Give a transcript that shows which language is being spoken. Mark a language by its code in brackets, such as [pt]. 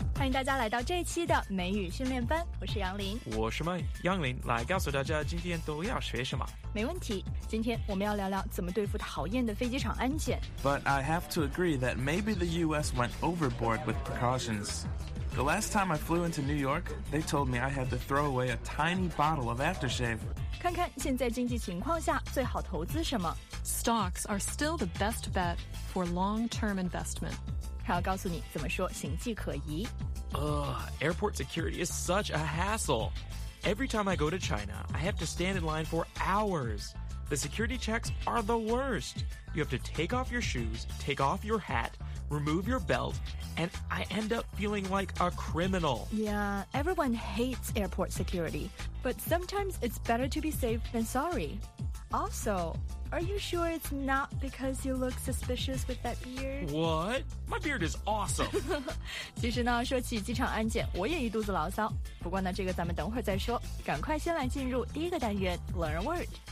[zh] 迎大家来到这期的美语训练班，我是杨林。我是麦，杨林来告诉大家今天都要学什么。没问题，今天我们要聊聊怎么对付讨厌的飞机场安检。 [en] But I have to agree that maybe the US went overboard with precautions. The last time I flew into New York, they told me I had to throw away a tiny bottle of aftershave. [zh] 看看现在经济情况下最好投资什么。 [en] Stocks are still the best bet for long-term investment. [zh] 还要告诉你怎么说行迹可疑。 [en] Airport security is such a hassle. Every time I go to China, I have to stand in line for hours. The security checks are the worst. You have to take off your shoes, take off your hat, remove your belt, and I end up feeling like a criminal. Yeah, everyone hates airport security, but sometimes it's better to be safe than sorry. Also... Are you sure it's not because you look suspicious with that beard? What? My beard is awesome! [zh] 其实呢，说起机场安检，我也一肚子牢骚。不过呢，这个咱们等会儿再说，赶快先来进入第一个单元 Learn a Word.